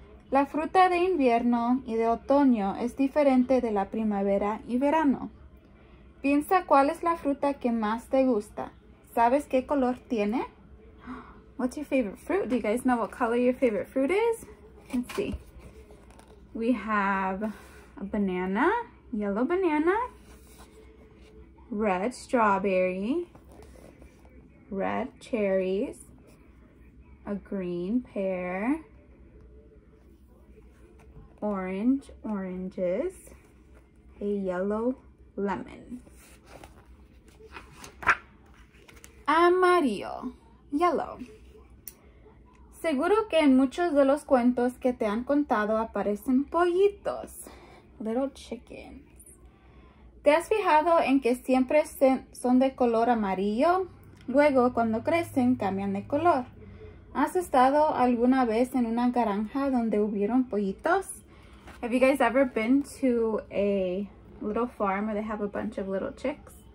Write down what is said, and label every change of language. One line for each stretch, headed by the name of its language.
Spanish: La fruta de invierno y de otoño es diferente de la primavera y verano. Piensa cuál es la fruta que más te gusta. ¿Sabes qué color tiene?
English: What's your favorite fruit? Do you guys know what color your favorite fruit is? Let's see. We have a banana, yellow banana, red strawberry, red cherries, a green pear, oranges, a yellow lemon, amarillo, yellow.
Spanish: Seguro que en muchos de los cuentos que te han contado aparecen pollitos,
English: little chickens.
Spanish: ¿Te has fijado en que siempre son de color amarillo? Luego, cuando crecen, cambian de color. ¿Has estado alguna vez en una granja donde hubieron pollitos?
English: Have you guys ever been to a little farm where they have a bunch of little chicks?